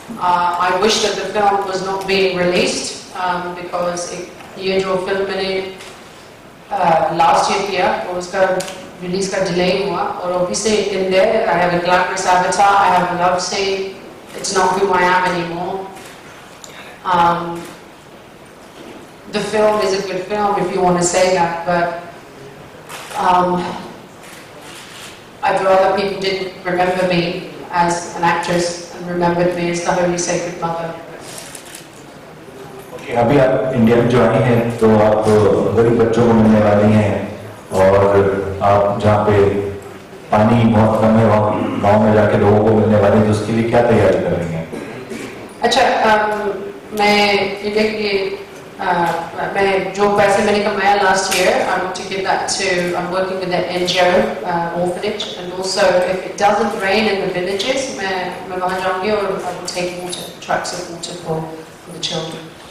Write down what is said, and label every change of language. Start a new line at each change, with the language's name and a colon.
English: I wish that the film was not being released because
Hindi: ये जो film मैंने last year किया और उसका रिलीज का डिलेय हुआ
English: और obviously in there I have a glamorous avatar, I have a love scene, it's not who I am anymore. The film is a good film if you want to say that, but I'd rather people didn't remember me as an actress and remembered me as the Holy Sacred Mother.
Hindi: Okay, अभी आप India में जो आई हैं, तो आप गरीब बच्चों को मिलने वाली हैं, और आप जहाँ पे पानी बहुत कम है वहाँ गांव में जाके लोगों को मिलने वाली हैं, तो उसके लिए क्या तैयारी कर रही हैं? अच्छा, मैं ये देखिए, मैं जो पैसे मैंने कमाया
English: last year, I want to give that to, I'm working with an NGO orphanage, and also if it doesn't rain in the villages,
Hindi: मैं वहाँ जाऊँगी
English: और I will take water, trucks of water for the children.